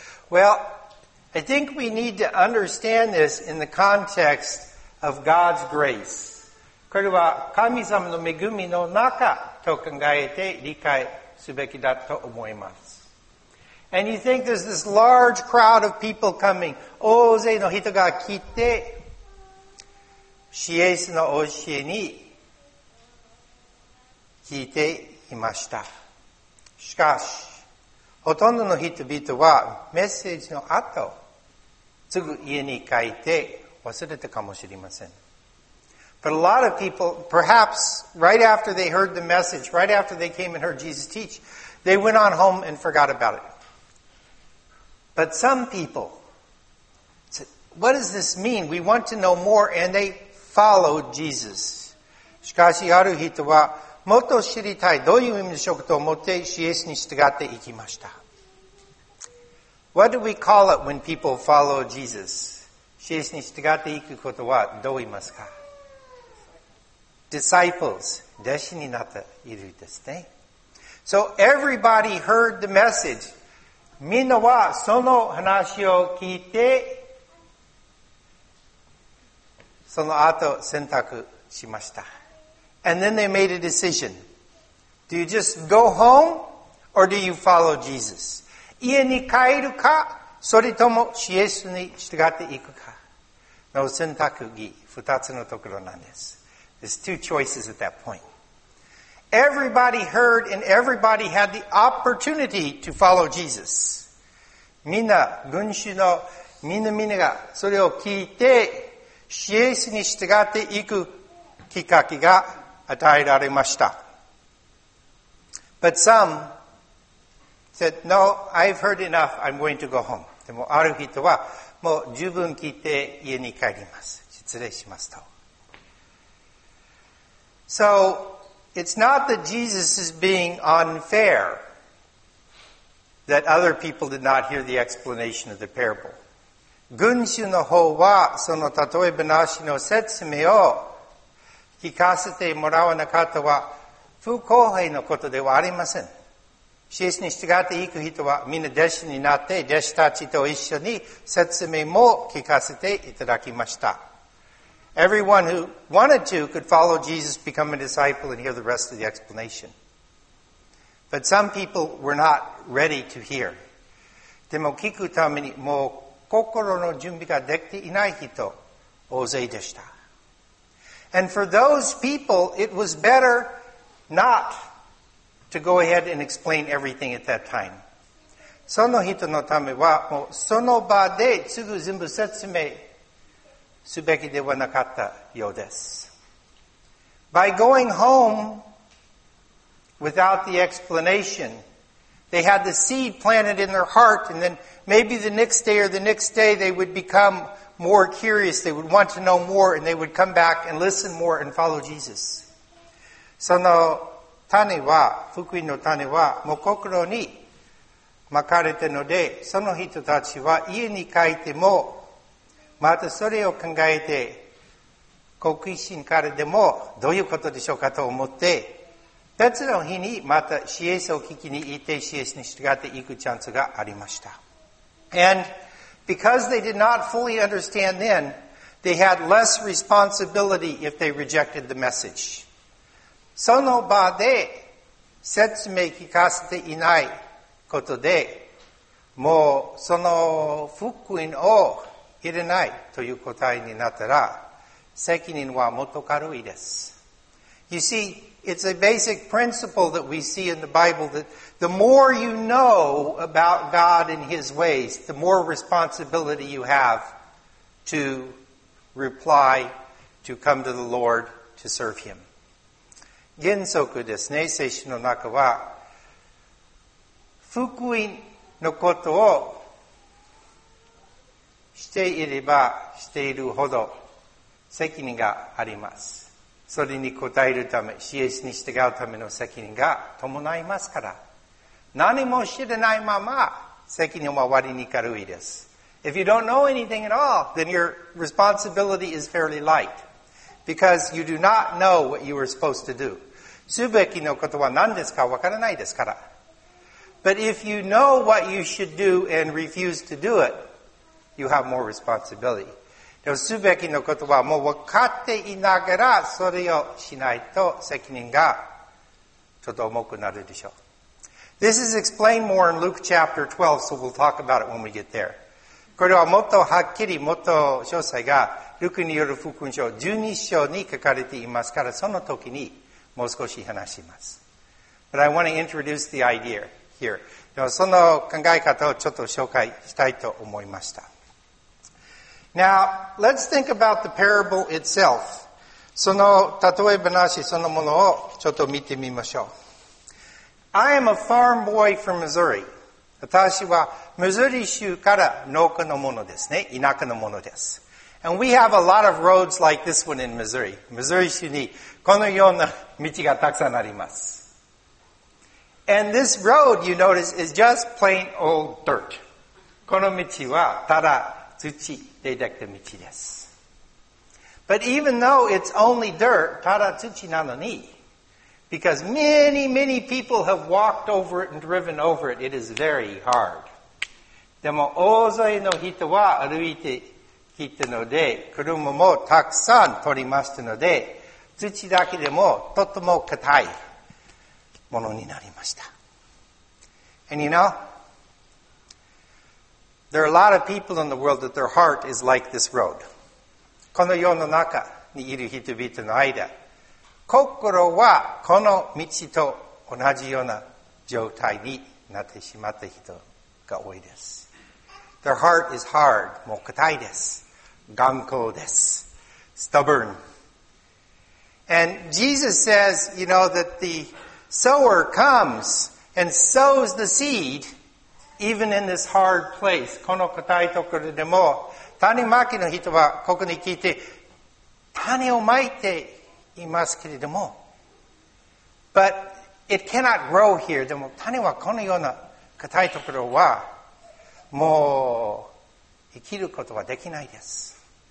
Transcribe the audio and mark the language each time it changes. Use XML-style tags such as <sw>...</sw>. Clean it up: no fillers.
<en>Well, I think we need to understand this in the context of God's grace.</en> <ja>これは神様の恵みの中と考えて理解すべきだと思います。</ja> <en>And you think there's this large crowd of people coming.</en> <ja>大勢の人が来て、イエスの教えに聞いて、しかし、ほとんどの人々はメッセージの後、すぐ家に帰って忘れたかもしれません。</ja> <en>But a lot of people, perhaps right after they heard the message, right after they came and heard Jesus teach, they went on home and forgot about it. But some people said, what does this mean? We want to know more, and they followed Jesus.</en> <ja>しかし、ある人は、もっと知りたい。どういう意味でしょうかと思って、イエスに従っていきました。</ja> <en>What do we call it when people follow Jesus?</en> <ja>イエスに従っていくことはどう言いますか?</ja> <en>Disciples.</en> <ja>弟子になっているですね。</ja> <en>So everybody heard the message.</en> <ja>みんなはその話を聞いて、その後選択しました。</ja> <en>And then they made a decision. Do you just go home or do you follow Jesus?</en> <ja>家に帰るか、それともイエスに従っていくかの選択義、二つのところなんです。</ja> <en>There's two choices at that point. Everybody heard and everybody had the opportunity to follow Jesus.</en> <ja>みんな、群衆のみんなみんながそれを聞いて、イエスに従っていくきっかけが与えられました。</ja> <en>But some said, no, I've heard enough, I'm going to go home.</en> <ja>でもある人はもう十分聞いて家に帰ります。失礼しますと。</ja> <en>So, it's not that Jesus is being unfair that other people did not hear the explanation of the parable.</en> <ja>群衆の方はその例え話の説明を聞かせてもらわなかったは不公平のことではありません。イエスに従っていく人はみんな弟子になって弟子たちと一緒に説明も聞かせていただきました。</ja> <en>Everyone who wanted to could follow Jesus, become a disciple, and hear the rest of the explanation. But some people were not ready to hear.</en> <ja>でも聞くためにもう心の準備ができていない人大勢でした。</ja> <en>And for those people, it was better not to go ahead and explain everything at that time.</en> <ja>その人のためはもうその場ですぐ全部説明すべきではなかったようです。</ja> <en>By going home without the explanation, they had the seed planted in their heart, and then maybe the next day or the next day they would become more curious, they would want to know more, and they would come back and listen more and follow Jesus.</en> <ja>その種は、福音の種は、もう心にまかれてので、その人たちは家に帰っても、またそれを考えて、好奇心からでも、どういうことでしょうかと思って、別の日にまたイエスを聞きに行って、イエスに従っていくチャンスがありました。</ja> <en>And because they did not fully understand then, they had less responsibility if they rejected the message.</en> <ja>その場で説明聞かせていないことで、もうその福音を入れないという答えになったら責任はもっと軽いです。</ja> <en>You see, it's a basic principle that we see in the Bible that the more you know about God and His ways, the more responsibility you have to reply, to come to the Lord, to serve Him.</en> <ja>原則ですね、聖書の中は福音のことをしていればしているほど責任があります。それに応えるため、イエスに従うための責任が伴いますから。何も知れないまま責任は割に軽いです。</ja> <en>If you don't know anything at all, then your responsibility is fairly light. Because you do not know what you are supposed to do.</en> <ja>すべきのことは何ですかわからないですから。</ja> <en>But if you know what you should do and refuse to do it,You have more responsibility.</en> <ja>でも、すべきのことはもう分かっていながら、それをしないと責任がちょっと重くなるでしょう。</ja> <en>This is explained more in Luke chapter 12, so we'll talk about it when we get there.</en> <ja>これはもっとはっきり、もっと詳細が、ルクによる福音書12章に書かれていますから、その時にもう少し話します。</ja> <en>But I want to introduce the idea here.</en> <ja>でも、その考え方をちょっと紹介したいと思いました。</ja> <en>Now, let's think about the parable itself.</en> <ja>その例え話そのものをちょっと見てみましょう。</ja> <en>I am a farm boy from Missouri.</en> <ja>私はミズーリ州から農家のものですね。田舎のものです。</ja> <en>And we have a lot of roads like this one in Missouri.</en> <ja>ミズーリ州にこのような道がたくさんあります。</ja> <en>And this road, you notice, is just plain old dirt.</en> <ja>この道はただ土でできた道です。</ja> <en>But even though it's only dirt,</en> <ja>ただ土なのに、</ja> <en>because many, many people have walked over it and driven over it, it is very hard.</en> <ja>でも大勢の人は歩いてきたので、車もたくさん取りましたので、土だけでもとても硬いものになりました。</ja> <en>And you know, there are a lot of people in the world that their heart is like this road.</en> <ja>この世の中にいる人々の間、心はこの道と同じような状態になってしまった人が多いです。</ja> <en>Their heart is hard,</en> <ja>もう固いです。頑固です。</ja> <en>Stubborn. And Jesus says, you know, that the sower comes and sows the seed even in this hard place.</en> <ja>この固いところでも、種まきの人はここに来て、種をまいていますけれども。</ja> <en>But it cannot grow here.</en> <ja>でも種はこのような固いところは、もう生きることはできないです。</ja>